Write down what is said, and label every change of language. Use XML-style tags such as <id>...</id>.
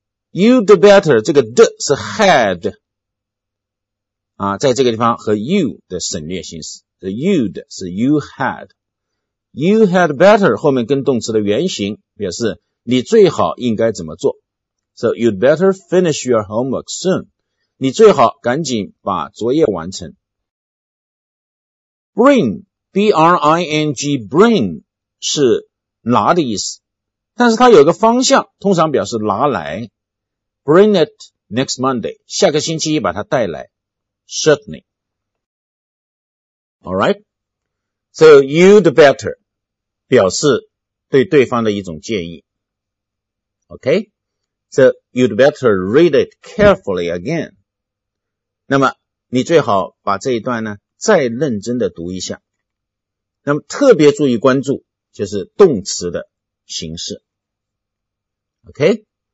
<en>You'd better</en> <zh>这个 d 是 had 啊，在这个地方和 you 的省略形式，这 you'd 是</zh> <en>you had。 You had better</en> <zh>后面跟动词的原形，表示你最好应该怎么做。</zh> <en>So you'd better finish your homework soon.</en> <zh>你最好赶紧把作业完成。 Bring B-R-I-N-G bring 是拿的意思，但是它有个方向，通常表示拿来。</zh> <en>Bring it next Monday.</en> <zh>下个星期一把它带来。</zh> <en>Certainly. Alright. So you'd better</en> <zh>表示对对方的一种建议。</zh> <en>Okay. So you'd better read it carefully again.</en> <zh>那么你最好把这一段呢再认真的读一下。那么特别注意关注就是动词的形式。Okay.</zh>